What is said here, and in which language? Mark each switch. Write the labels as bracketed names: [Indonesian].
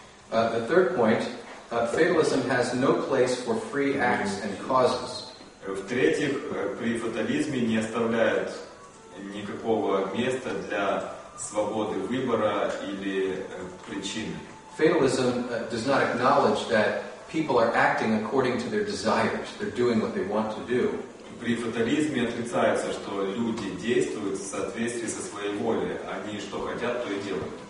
[English] The third point, fatalism has no place for free acts and causes. [Russian] В-третьих, при фатализме не оставляют никакого места для свободы выбора или причины. [English] Fatalism does not acknowledge that people are acting according to their desires. They're doing what they want to do. [Russian] При фатализме отрицается, что люди действуют в соответствии со своей волей. Они что хотят, то и делают.